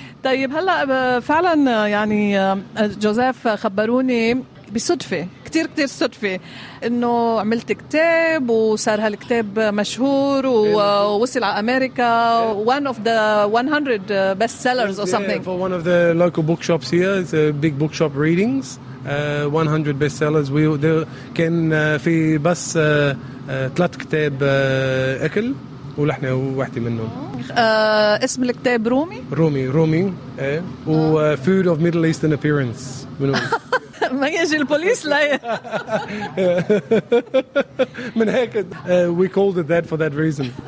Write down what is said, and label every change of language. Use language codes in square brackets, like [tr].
[ar] طيب هلأ فعلا يعني جوزيف خبروني بصدفة كتير كتير صدفة انه عملت كتاب وصار هالكتاب مشهور ووصل على أمريكا [en] one of the 100 best sellers or something for one of the local bookshops here. It's a big bookshop readings 100 best sellers. [ar] كان في بس ثلاث كتاب أكل ولحنا واحدة منهم. اسم الكتاب رومي؟ [en] رومي و Food of Middle Eastern Appearance. [ar] ما يجي البوليس لا من هيك [en] we called it that for that reason.